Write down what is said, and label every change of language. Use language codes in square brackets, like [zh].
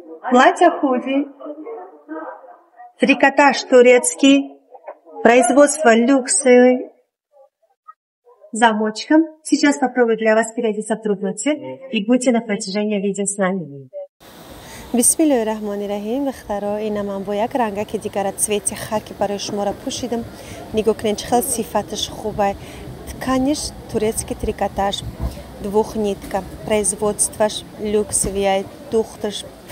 [ru] Платье худи, трикотаж турецкий, производство люксы, замочком. Сейчас попробую для вас переодеться в трудный цвет и будьте на протяжении видео с нами. [ar] Бисмиллахи рахмани рахим. [tg] Вахтаро инаман бо як рангаки дигара цвети хаки барои шумора пушидам. Нигоҳ кунед, чӣ хел сифаташ хуба. [ru] Тканиш турецкий трикотаж, двухнитка, производство люксовый, духтаж.